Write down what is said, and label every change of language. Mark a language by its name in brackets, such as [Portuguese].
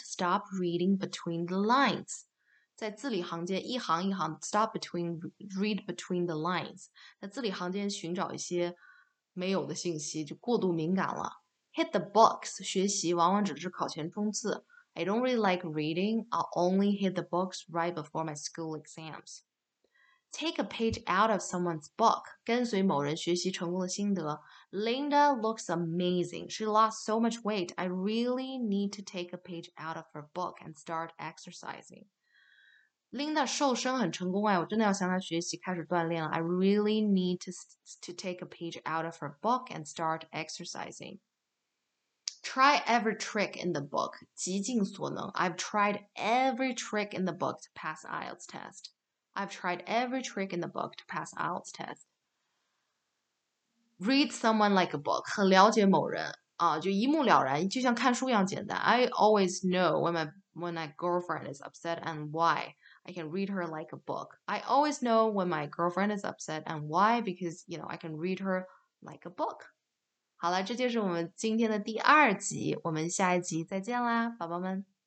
[English] Stop reading between the lines. [Chinese] 在字里行间一行一行 [English] Stop between read between the lines. [Chinese] 在字里行间寻找一些没有的信息，就过度敏感了。 [English] Hit the books. [Chinese] 学习往往只是考前冲刺。 [English] I don't really like reading. I'll only hit the books right before my school exams. Take a page out of someone's book. [Chinese] 跟随某人学习成功的心得。 [English] Linda looks amazing. She lost so much weight. I really need to take a page out of her book and start exercising. [Chinese] Linda 瘦身很成功啊，我真的要向她学习，开始锻炼了。 [English] I really need to take a page out of her book and start exercising. Try every trick in the book. [Chinese] 极尽所能 [English] I've tried every trick in the book to pass IELTS test. I've tried every trick in the book to pass IELTS test. Read someone like a book. [Chinese] 很了解某人啊，就一目了然，就像看书一样简单 [English] I always know when my girlfriend is upset and why. I can read her like a book. I always know when my girlfriend is upset and why, because, you know, I can read her like a book. [Chinese] 好了，这就是我们今天的第二集，我们下一集再见啦，宝宝们。